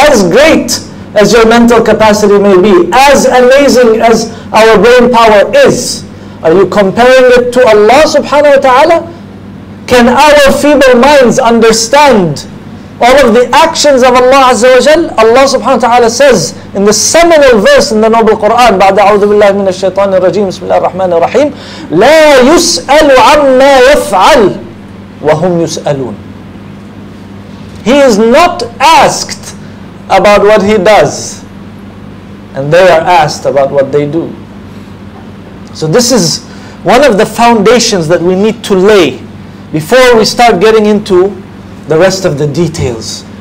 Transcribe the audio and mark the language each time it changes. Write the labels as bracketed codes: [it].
[en] As great as your mental capacity may be, as amazing as our brain power is, are you comparing it to Allah subhanahu wa ta'ala? Can our feeble minds understand all of the actions of Allah Azza wa Jal? Allah subhanahu wa ta'ala says in the seminal verse in the noble Quran, [ar] بعد أعوذ بالله من الشيطان الرجيم بسم الله الرحمن الرحيم لا يسأل عما يفعل وهم يسألون. [en] He is not asked about what he does, and they are asked about what they do. So this is one of the foundations that we need to lay before we start getting into the rest of the details.